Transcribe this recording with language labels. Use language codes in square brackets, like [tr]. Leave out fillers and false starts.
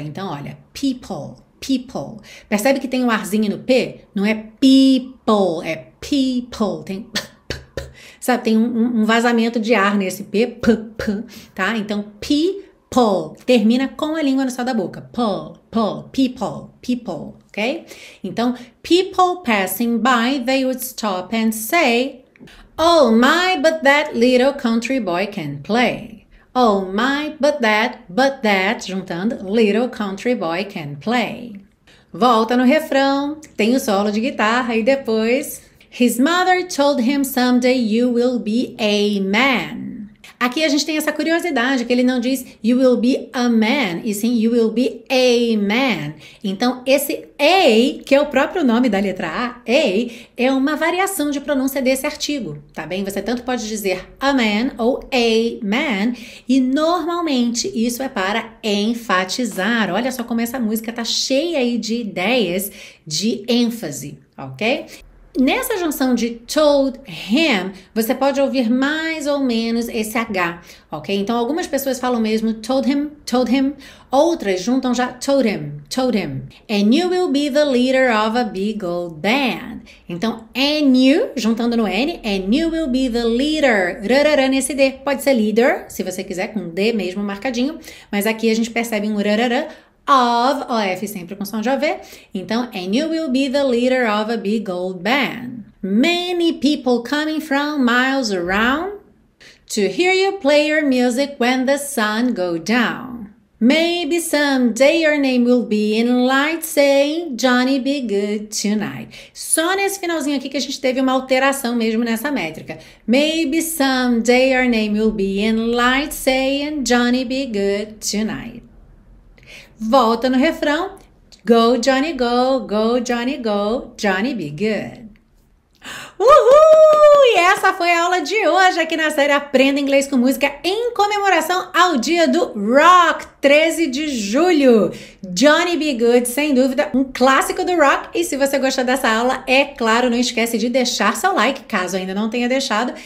[pt] Então, olha, people, people. Percebe que tem um arzinho no P? Não é people, é people. Tem, sabe, tem um vazamento de ar nesse P, tá? Então, people, termina com a língua no céu da boca. [en] People, people, people, ok? Então, people passing by, they would stop and say, oh my, but that little country boy can play. Oh my, but that, juntando, little country boy can play. [pt] Volta no refrão, tem o solo de guitarra e depois. [en] His mother told him someday you will be a man. [pt] Aqui a gente tem essa curiosidade que ele não diz [en] you will be a man, [pt] e sim you will be a man. Então, esse a, que é o próprio nome da letra A, a, é uma variação de pronúncia desse artigo, tá bem? Você tanto pode dizer a man ou a man, e normalmente isso é para enfatizar. Olha só como essa música tá cheia aí de ideias de ênfase, ok? Nessa junção de told him, você pode ouvir mais ou menos esse H, ok? Então, algumas pessoas falam mesmo told him, outras juntam já told him, told him. [en] And you will be the leader of a big old band. [pt] Então, and you, juntando no N, [en] and you will be the leader, [pt] rarara nesse D. Pode ser leader, se você quiser, com D mesmo marcadinho, mas aqui a gente percebe um rarara. Of, OF sempre com som de OV. [en] Então, and you will be the leader of a big old band. Many people coming from miles around to hear you play your music when the sun go down. Maybe someday your name will be in light saying Johnny be good tonight. [pt] Só nesse finalzinho aqui que a gente teve uma alteração mesmo nessa métrica. [en] Maybe someday your name will be in light saying Johnny be good tonight. [pt] Volta no refrão. [en] Go, Johnny, go, go, Johnny, be good. Uhul! [pt] E essa foi a aula de hoje aqui na série Aprenda Inglês com Música em comemoração ao dia do Rock, 13 de julho. Johnny Be Good, sem dúvida, um clássico do rock. E se você gostou dessa aula, é claro, não esquece de deixar seu like, caso ainda não tenha deixado.